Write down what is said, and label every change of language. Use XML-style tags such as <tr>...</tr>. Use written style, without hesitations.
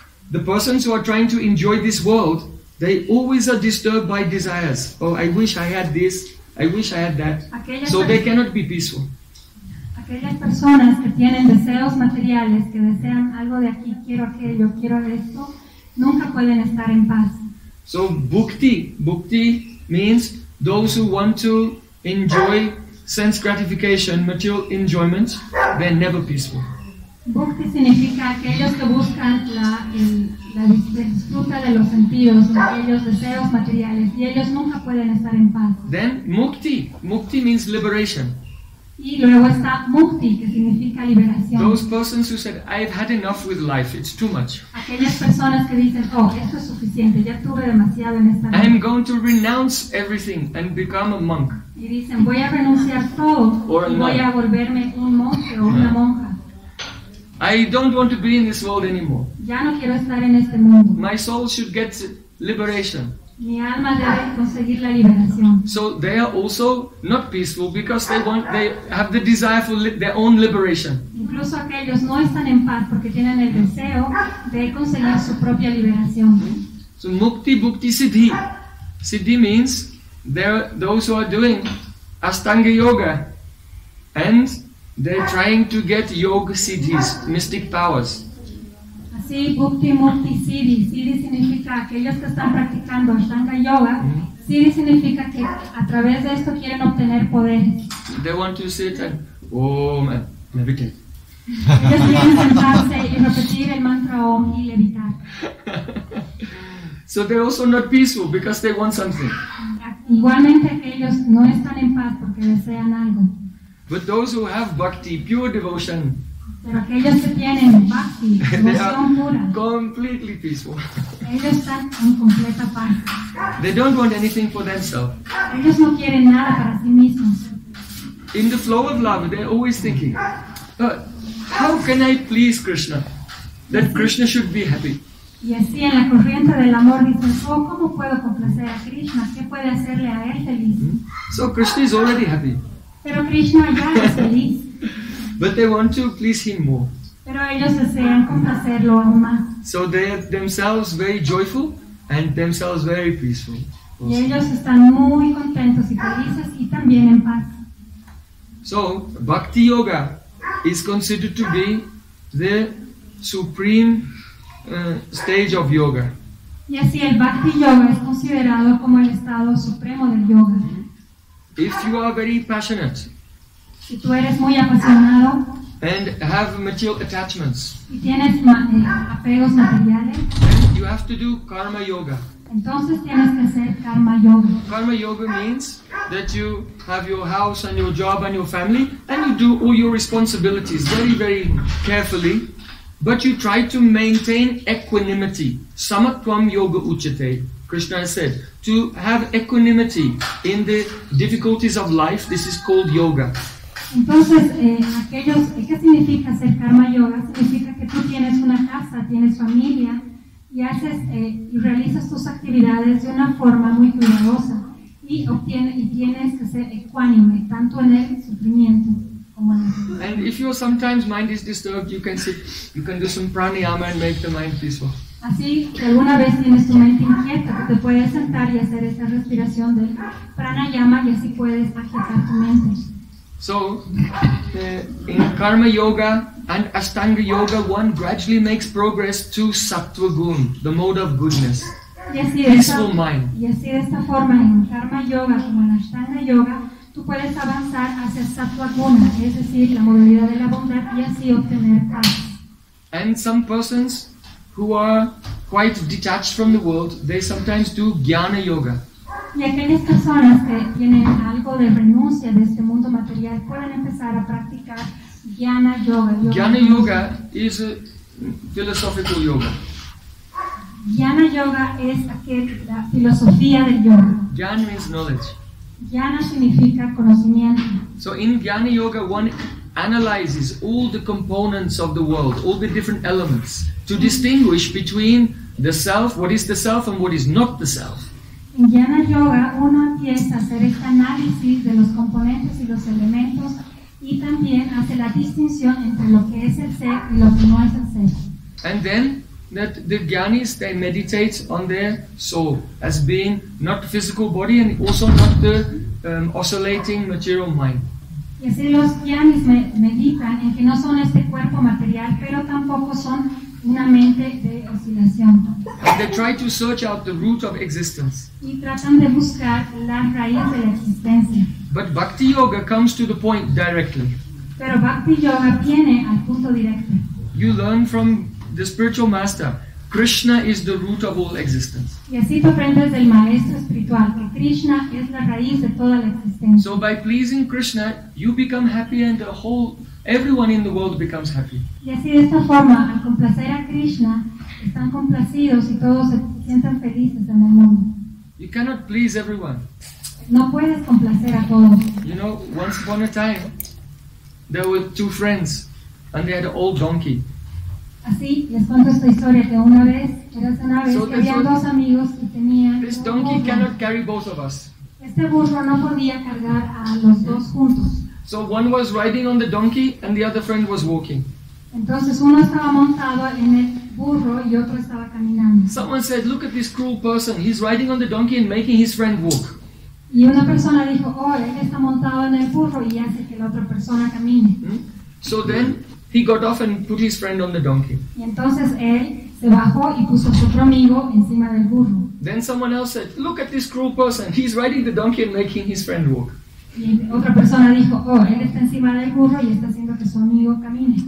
<en>The persons who are trying to enjoy this world, they always are disturbed by desires. Oh, I wish I had this, I wish I had that. So they cannot be peaceful.</en> <es>Aquellas personas que tienen deseos materiales, que desean algo de aquí, quiero aquello, quiero esto, nunca pueden estar en paz.</es> <en>So bhukti means those who want to enjoy sense gratification, material enjoyment, they're never peaceful.</en> <es>Bhukti significa aquellos que buscan la disfruta de los sentidos, aquellos deseos materiales, y ellos nunca pueden estar en paz.</es> <en>Then mukti means liberation.</en> <es>Y luego está mukti, que significa liberación.</es> <en>Those persons who said, I've had enough with life, it's too much.</en> <es>Aquellas personas que dicen, oh, esto es suficiente, ya tuve demasiado en esta vida.</es> <en>I'm going to renounce everything and become a monk.</en> <es>Y dicen, voy a renunciar todo</es> <en>or</en> <es>y voy a volverme un monje o una monja.</es> <en>I don't want to be in this world anymore.</en> <es>Ya no quiero estar en este mundo.</es> <en>My soul should get liberation.</en> <es>Mi alma debe conseguir la liberación.</es> <en>So they are also not peaceful because they have the desire for their own liberation.</en> <es>Incluso aquellos no están en paz porque tienen el deseo de conseguir su propia liberación.</es> <en>So mukti bhukti siddhi. Siddhi means they're those who are doing Ashtanga yoga and they're trying to get yoga siddhis, mystic powers.</en> <es>Así, bhukti, mukti, siddhi. Siddhi significa aquellos que están practicando Ashtanga yoga. Siddhi significa que a través de esto quieren obtener poder.</es> <en>They want to sit and, oh man, levitate.</en> <es>Ellos quieren sentarse y repetir el mantra om y levitar.</es> <en>So they're also not peaceful because they want something.</en> <es>Igualmente aquellos no están en paz porque desean algo.</es> <en>But those who have bhakti, pure devotion,</en> <es>pero aquellos que tienen bhakti, devoción pura,</es> <en>completely peaceful.</en> <es>Ellos están en completa paz.</es> <en>They don't want anything for themselves.</en> <es>Ellos no quieren nada para sí mismos.</es> <en>In the flow of love, they're always thinking, how can I please Krishna? That Krishna should be happy.</en> <es>Y así en la corriente del amor dicen, oh, ¿cómo puedo complacer a Krishna? ¿Qué puede hacerle a él feliz?</es> <en>So Krishna is already happy.</en> <es>Pero Krishna ya es feliz.</es> <en>But they want to please him more.</en> <es>Pero ellos desean complacerlo aún más.</es> <en>So they are themselves very joyful and themselves very peaceful.</en> <es>Y ellos están muy contentos y felices y también en paz.</es> <en>So bhakti yoga is considered to be the supreme stage of yoga.</en> <es>Y así el bhakti yoga es considerado como el estado supremo del yoga.</es> <en>If you are very passionate,</en> <es>si tú eres muy apasionado,</es> <en>and have material attachments,</en> <es>y tienes apegos materiales,</es> <en>you have to do karma yoga.</en> <es>Entonces tienes que hacer karma yoga.</es> <en>Karma yoga means that you have your house and your job and your family, and you do all your responsibilities very, very carefully, but you try to maintain equanimity.</en> <sa>Samatvam yoga uchate.</sa> <en>Krishna has said, to have equanimity in the difficulties of life, this is called yoga.</en> <es>Entonces, aquellos, ¿qué significa hacer karma yoga? Significa que tú tienes una casa, tienes familia, y haces y realizas tus actividades de una forma muy cuidadosa, y tienes que ser ecuánime, tanto en el sufrimiento.</es> <en>And if your sometimes mind is disturbed, you can sit, you can do some pranayama and make the mind peaceful.</en> <es>Así que alguna vez tienes tu mente inquieta, te puedes sentar y hacer esta respiración de pranayama y así puedes agitar tu mente.</es> <en>So, in karma yoga and ashtanga yoga, one gradually makes progress to sattva gun, the mode of goodness. Peaceful mind.</en> <es>Y así de esta forma, en karma yoga como en ashtanga yoga, tú puedes avanzar hacia sattva guna, es decir, la modalidad de la bondad, y así obtener paz.</es> <en>And some persons who are quite detached from the world, they sometimes do jnana yoga.</en> <es>Y aquellas personas que tienen algo de renuncia de este mundo material pueden empezar a practicar Jnana Yoga.</es> <en>Jnana Yoga is a philosophical yoga.</en> <es>Jnana Yoga es la filosofía del yoga.</es> <en>Jnana means knowledge.</en> <es>Jnana significa conocimiento.</es> <en>So in Jnana Yoga one analyzes all the components of the world, all the different elements, to distinguish between the self, what is the self, and what is not the self.</en> <es>En Jnana Yoga uno empieza a hacer este análisis de los componentes y los elementos y también hace la distinción entre lo que es el ser y lo que no es el ser.</es> <en>And then that the jnanis, they meditate on their soul as being not the physical body and also not the oscillating material mind.</en> <es>Y así los jnanis meditan en que no son este cuerpo material, pero tampoco son una mente de oscilación.</es> <en>And they try to search out the root of existence.</en> <es>Y tratan de buscar la raíz de la existencia.</es> <en>But Bhakti Yoga comes to the point directly.</en> <es>Pero Bhakti Yoga viene al punto directo.</es> <en>You learn from the spiritual master, Krishna is the root of all existence.</en> <es>Y así tú aprendes del maestro espiritual que Krishna es la raíz de toda la existencia.</es> <en>So by pleasing Krishna, you become happy and the whole, everyone in the world becomes happy.</en> <es>Y así de esta forma, al complacer a Krishna, están complacidos y todos se sienten felices en el mundo.</es> <en>You cannot please everyone.</en> <es>No puedes complacer a todos.</es> <en>You know, once upon a time, there were two friends and they had an old donkey.</en> <es>Así les cuento esta historia que una vez eras una vez que habían dos amigos que tenían.</es> <en>This donkey cannot carry both of us.</en> <es>Este burro no podía cargar a los dos juntos.</es> <en>So one was riding on the donkey and the other friend was walking.</en> <es>Entonces uno estaba montado en el burro y otro estaba caminando.</es> <en>Someone said, "Look at this cruel person. He's riding on the donkey and making his friend walk."</en> <es>Y una persona dijo, "Oh, él está montado en el burro y hace que la otra persona camine."</es> <en>So then he got off and put his friend on the donkey.</en> <es>Y entonces él se bajó y puso a su otro amigo encima del burro.</es> <en>Then someone else said, "Look at this cruel person. He's riding the donkey and making his friend walk."</en> <es>Y otra persona dijo, "Oh, él está encima del burro y está haciendo que su amigo camine."</es>